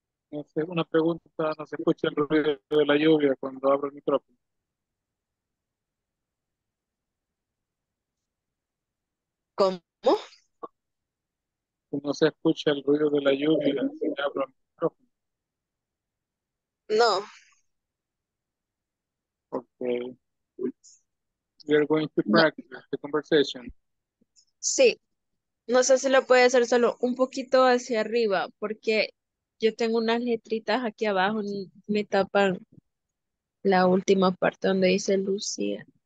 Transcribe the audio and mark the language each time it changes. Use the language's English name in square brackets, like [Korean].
[Spanish] Una pregunta, no se escucha el ruido de la lluvia cuando abro el micrófono. ¿Cómo? No se escucha el ruido de la lluvia cuando abro el micrófono. No. [English] Okay. We are going to practice the conversation. [Spanish] Sí. No sé si lo puede hacer solo un poquito hacia arriba, porque yo tengo unas letritas aquí abajo y me tapan la última parte donde dice Lucía.